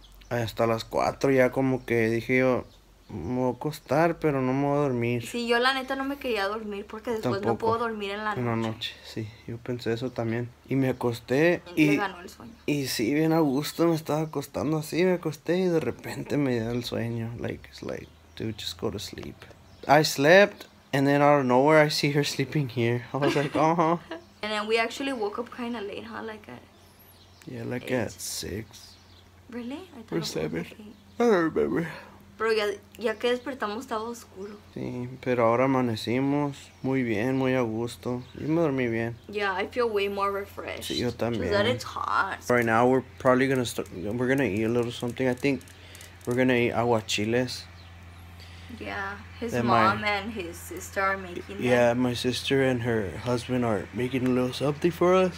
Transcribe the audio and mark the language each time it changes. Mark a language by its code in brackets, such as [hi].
[es] Hasta las 4 ya como que dije yo, me voy a acostar, pero no me voy a dormir. Sí, yo la neta no me quería dormir porque después tampoco no puedo dormir en la noche. En la noche, sí, yo pensé eso también. Y me acosté y me ganó el sueño. Y sí, bien a gusto, me estaba acostando así, me acosté y de repente me dio el sueño. [en] Like, it's like, dude, just go to sleep. I slept and then out of nowhere I see her sleeping here. I was like, uh-huh. And then we actually woke up kind of late, huh? Like at 6. Really? I don't remember. [es] Pero ya que despertamos estaba oscuro. Sí, pero ahora amanecimos muy bien, muy a gusto. Yo me dormí bien. [en] Yeah, I feel way more refreshed. [es] Sí, yo también. [en] Because that it's hot. Right now we're probably gonna start, we're gonna eat a little something. I think we're gonna eat aguachiles. Yeah, his mom and his sister are making them. Yeah, my sister and her husband are making a little something for us.